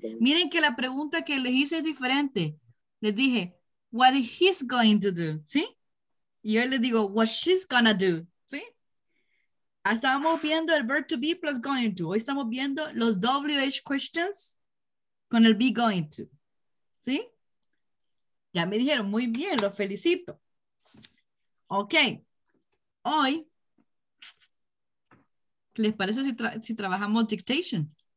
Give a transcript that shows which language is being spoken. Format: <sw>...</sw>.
<es>Miren que la pregunta que les hice es diferente. Les dije,</es> <en>what is he going to do?</en> <es>¿Sí? Y yo le digo,</es> <en>what she's gonna do?</en> <es>¿Sí? Estábamos viendo el verb to be plus going to. Hoy estamos viendo los WH questions con el be going to. ¿Sí? Ya me dijeron, muy bien, los felicito. Ok, hoy, ¿les parece si trabajamos dictation?</es>